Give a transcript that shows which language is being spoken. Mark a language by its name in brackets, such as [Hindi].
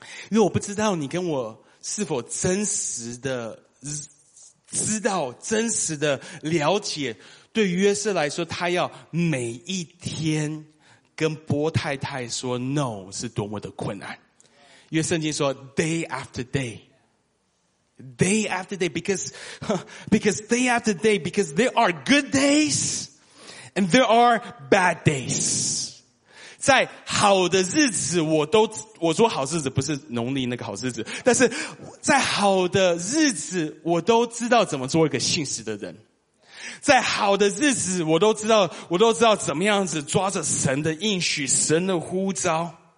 [Chinese] 因为我不知道你跟我是否真实的知道，真实的了解，对约瑟来说，他要每一天跟波太太说 no 是多么的困难。因为圣经说 [English] day after day， day after day， because day after day， because there are good days and there are bad days。 [Chinese] 在好的日子，我说好日子不是农历那个好日子，但是在好的日子，我都知道怎么做一个信实的人。在好的日子，我都知道怎么样子抓着神的应许、神的呼召。